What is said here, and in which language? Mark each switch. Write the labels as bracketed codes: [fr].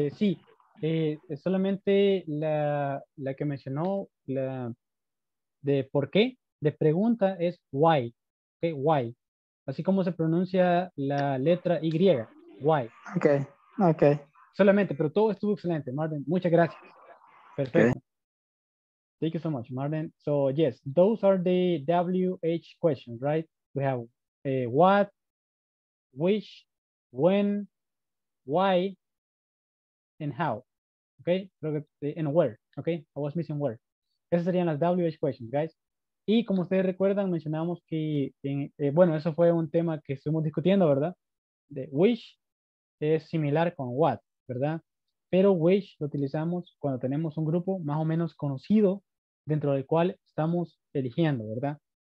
[es] Sí, solamente la que mencionó, la de por qué. De pregunta es why, okay, why, así como se pronuncia la letra Y, why. Okay. Solamente, pero todo estuvo excelente, Marden, muchas gracias. [en] Perfecto. Okay. Thank you so much, Marden. So yes, those are the WH questions, right? We have what, which, when, why, and how, okay? And where, okay? I was missing where. [es] Esas serían las WH questions, guys. Y como ustedes recuerdan, mencionamos que, bueno, eso fue un tema que estuvimos discutiendo, ¿verdad? De which es similar con what, ¿verdad? Pero which lo utilizamos cuando tenemos un grupo más o menos conocido dentro del cual estamos eligiendo, ¿verdad?